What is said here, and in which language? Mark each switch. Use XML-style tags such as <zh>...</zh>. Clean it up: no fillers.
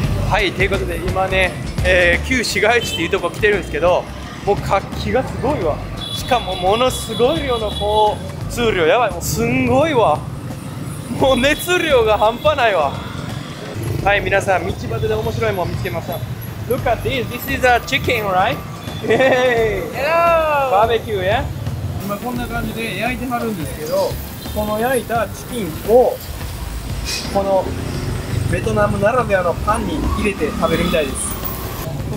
<ja>はい、ということで今ね、旧市街地っていうとこ来てるんですけど、もう活気がすごいわ。しかもものすごい量の交通量、やばい、もうすんごいわ。もう熱量が半端ないわ。はい、皆さん、道端で面白いもの見つけました。</ja> <en>Look at this, this is a chicken, right? Hey! Hello!</en> <ja>バーベキュー、yeah? 今こんな感じで焼いてはるんですけど、この焼いたチキンをこのベトナムならではのパンに入れて食べるみたいです。</ja>